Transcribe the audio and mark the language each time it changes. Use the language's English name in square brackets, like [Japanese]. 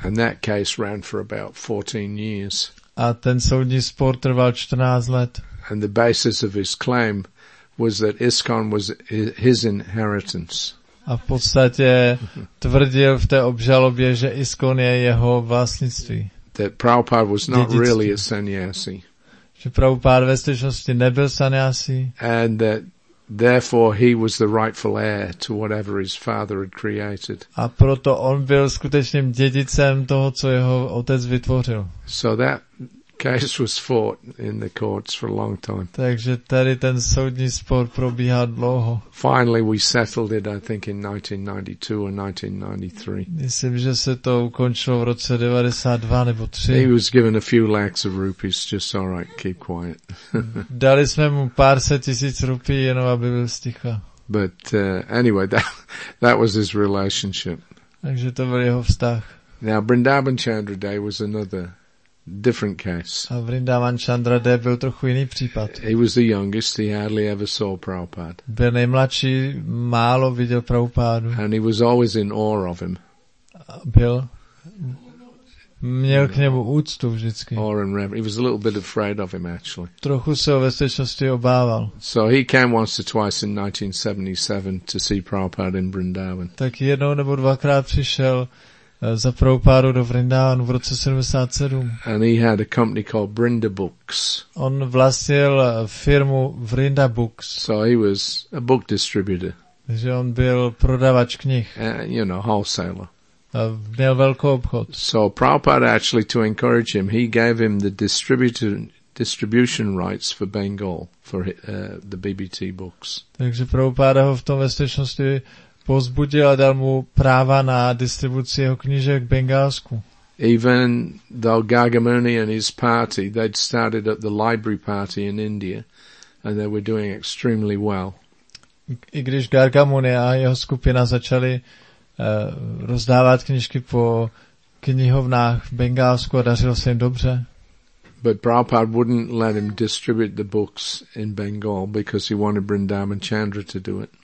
[English] And that case ran for about 14 years. [Czech] A ten soudní spor trval 14 let. [English] And the basis of his claim was that ISKCON was his inheritance. [Czech] A v podstatě tvrdil v té obžalobě, že ISKCON je jeho vlastnictví. [English] That Prabhupada was not really a sannyasi. [Czech] Že Prabhupada ve skutečnosti nebyl sannyasi. [English] And that therefore he was the rightful heir to whatever his father had created. [Czech] A proto on byl skutečným dědicem toho, co jeho otec vytvořil. [English] So that case was fought in the courts for a long time. [Czech] Takže tady ten soudní spor probíhal dlouho. [English] Finally we settled it, I think, in 1992 or 1993. [Czech] Myslím, že se to ukončilo v roce 92 nebo 3. [English] He was given a few lakhs of rupees, just all right, keep quiet. [Czech] Dali jsme mu pár set tisíc rupí, jenom aby byl sticho. [English] But anyway, that was his relationship. [Czech] Takže to byl jeho vztah. [English] Now Vrindavan Chandra Day was another different case. [Czech] A Vrindavan Chandra Day byl trochu jiný případ. [English] He was the youngest, he hardly ever saw Prabhupada. [Czech] Byl nejmladší, málo viděl Prabhupádu. [English] And he was always in awe of him. [Czech] Byl. Měl k němu úctu vždycky. [English] Awe and reverence. He was a little bit afraid of him, actually. [Czech] Trochu se ho ve skutečnosti obával. [English] So he came once or twice in 1977 to see Prabhupada in Vrindavan. [Czech] Tak jednou nebo dvakrát přišel za Prabhupádu do Vrindavanu v roce 77. [English] And he had a company called Brinda Books. [Czech] On vlastnil firmu Vrinda Books. [English] So he was a book distributor. [Czech] Takže on byl prodavač knih. [English] You know, wholesaler. [Czech] A měl velký obchod. [English] So Prabhupada actually, to encourage him, he gave him the distribution rights for Bengal, for the BBT books. [Czech] Takže Prabhupada ho v tom ve skutečnosti pozbudil a dal mu práva na distribuci jeho knížek v Bengálsku. [English] Even though Gagamuni and his party, they'd started at the library party in India and they were doing extremely well. [Czech] I když Gagamuni a jeho skupina začali rozdávat knížky po knihovnách v Bengálsku a dařilo se jim dobře. [English] But Prabhupada wouldn't let him distribute the books in Bengal because he wanted Vrindavan Chandra to do it.